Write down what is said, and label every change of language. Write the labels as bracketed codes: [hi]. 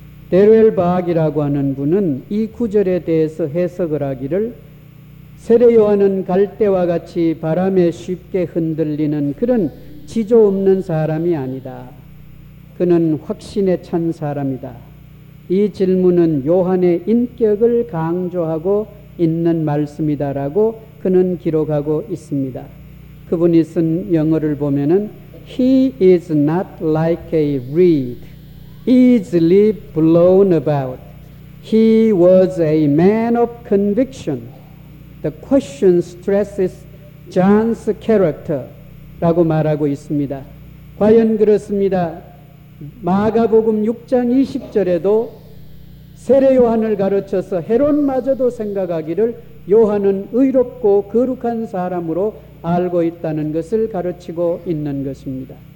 [ko] 데르엘 바악이라고 하는 분은 이 구절에 대해서 해석을 하기를 세례 요한은 갈대와 같이 바람에 쉽게 흔들리는 그런 지조 없는 사람이 아니다. 그는 확신에 찬 사람이다. 이 질문은 요한의 인격을 강조하고 있는 말씀이다라고 그는 기록하고 있습니다. 그분이 쓴 영어를 보면은 [en] he is not like a reed, easily blown about. He was a man of conviction. The question stresses John's character. [ko] 라고 말하고 있습니다. 과연 그렇습니다. 마가복음 6장 20절에도 세례 요한을 가르쳐서 헤롯마저도 생각하기를 요한은 의롭고 거룩한 사람으로 알고 있다는 것을 가르치고 있는 것입니다.